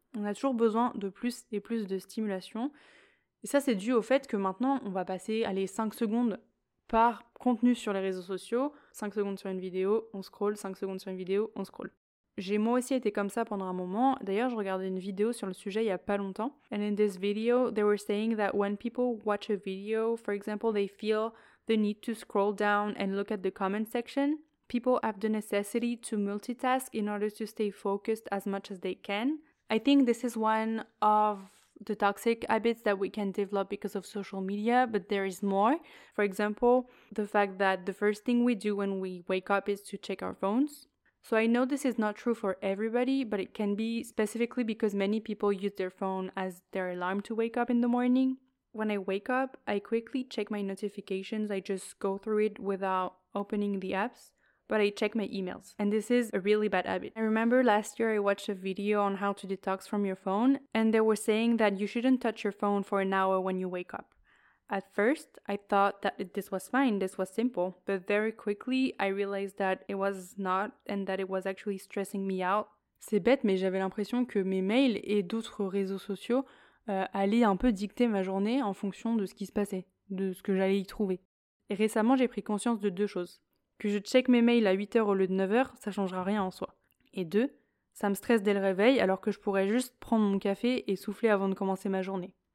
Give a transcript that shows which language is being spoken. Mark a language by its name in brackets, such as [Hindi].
[French] On a toujours besoin de plus et plus de stimulation. Et ça, c'est dû au fait que maintenant, on va passer, allez, 5 secondes par contenu sur les réseaux sociaux. 5 secondes sur une vidéo, on scrolle. 5 secondes sur une vidéo, on scrolle. J'ai moi aussi été comme ça pendant un moment. D'ailleurs, je regardais une vidéo sur le sujet il n'y a pas longtemps. [English] And in this video, they were saying that when people watch a video, for example, they feel the need to scroll down and look at the comment section. People have the necessity to multitask in order to stay focused as much as they can. I think this is one of the toxic habits that we can develop because of social media, but there is more. For example, the fact that the first thing we do when we wake up is to check our phones. So I know this is not true for everybody, but it can be specifically because many people use their phone as their alarm to wake up in the morning. When I wake up, I quickly check my notifications. I just go through it without opening the apps, but I check my emails. And this is a really bad habit. I remember last year I watched a video on how to detox from your phone, and they were saying that you shouldn't touch your phone for an hour when you wake up. At first, I thought that this was fine, this was simple, but very quickly, I realized that it was not and that it was actually stressing me out. [French] C'est bête, mais j'avais l'impression que mes mails et d'autres réseaux sociaux allaient un peu dicter ma journée en fonction de ce qui se passait, de ce que j'allais y trouver. Et récemment, j'ai pris conscience de deux choses. Que je check mes mails à 8h au lieu de 9h, ça changera rien en soi. Et deux, ça me stresse dès le réveil alors que je pourrais juste prendre mon café et souffler avant de commencer ma journée.